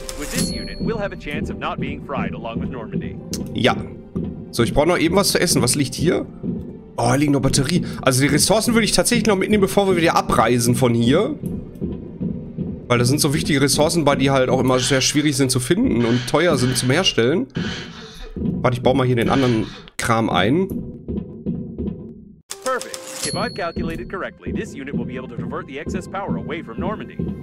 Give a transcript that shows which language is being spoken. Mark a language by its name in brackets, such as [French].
[English] With this unit, we'll have a chance of not being fried along with Normandy. [German] Ja. So, ich brauche noch eben was zu essen. Was liegt hier? Oh, da liegt noch Batterie. Also die Ressourcen würde ich tatsächlich noch mitnehmen, bevor wir wieder abreisen von hier. Weil das sind so wichtige Ressourcen, bei die halt auch immer sehr schwierig sind zu finden und teuer sind zum Herstellen. Warte, ich baue mal hier den anderen Kram ein. [English] Perfect. If I've calculated correctly, this unit will be able to divert the excess power away from Normandy.